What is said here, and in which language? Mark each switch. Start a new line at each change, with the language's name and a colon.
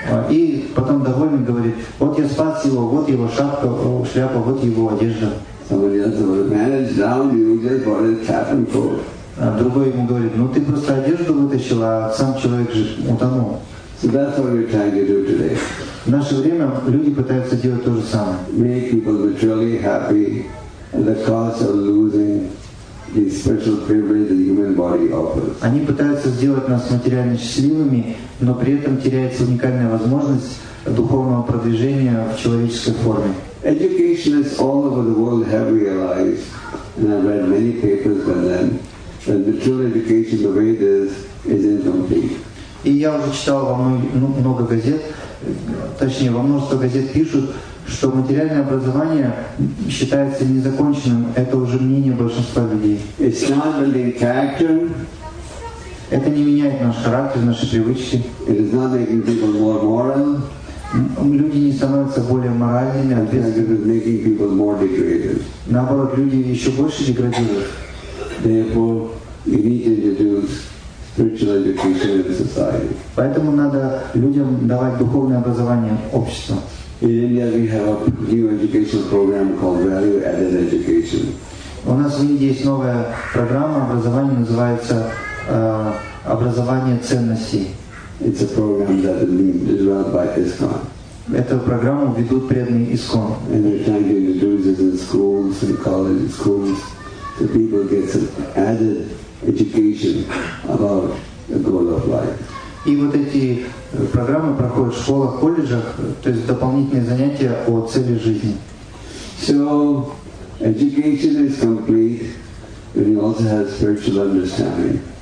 Russian: И потом довольный говорит, вот я спас его, вот его шапка, шляпа, вот его одежда. Другой ему говорит, ну ты просто одежду вытащил, а сам человек же утонул.
English: So that's what we're trying to do today.
Russian: В наше время люди пытаются делать то же самое.
English: Make people virtually happy at the cost of losing the special privilege the human body offers.
Russian: Они пытаются сделать нас материально счастливыми, но при этом теряется уникальная возможность духовного продвижения в человеческой форме.
English: Educationists all over the world have realized, and I've read many papers by them, that virtual education the way it is incomplete.
Russian: И я уже читал во много газет, точнее, во множество газет пишут, что материальное образование считается незаконченным. Это уже мнение большинства людей.
English: It's not building character.
Russian: Это не меняет наш характер, наши привычки.
English: It is not making people more moral.
Russian: Люди не становятся более моральными.
English: It is making people more degraded.
Russian: Наоборот, люди еще больше деградируют.
English: Therefore, you need to introduce spiritual education in society.
Russian: Поэтому надо людям давать духовное образование общества.
English: In India we have a new education program called value-added education.
Russian: У нас в Индии есть новая программа образования, называется образование ценностей.
English: It's a program that is run by ISKCON.
Russian: Эту программу ведут преданные ISKCON.
English: And they're trying to introduce this in schools and college schools so people get some added education about the goal of life.
Russian: И вот эти программы проходят в школах, колледжах, то есть дополнительные занятия о цели жизни.
English: So education is complete, but you also have spiritual understanding.